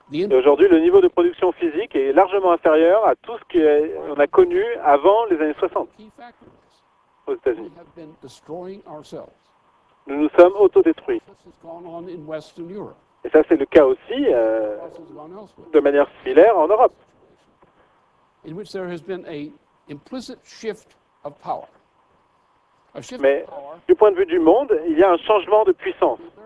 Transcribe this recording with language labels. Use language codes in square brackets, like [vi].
[fr] Aujourd'hui, le niveau de production physique est largement inférieur à tout ce qu'on a connu avant les années 60 aux États-Unis. [en] We have been destroying ourselves. [fr] Nous nous sommes autodétruits. [en] This has gone on in Western Europe. [fr] Et ça, c'est le cas aussi de manière similaire en Europe. [en] In which there has been a implicit shift of power. [fr] Mais du point de vue du monde, il y a un changement de puissance.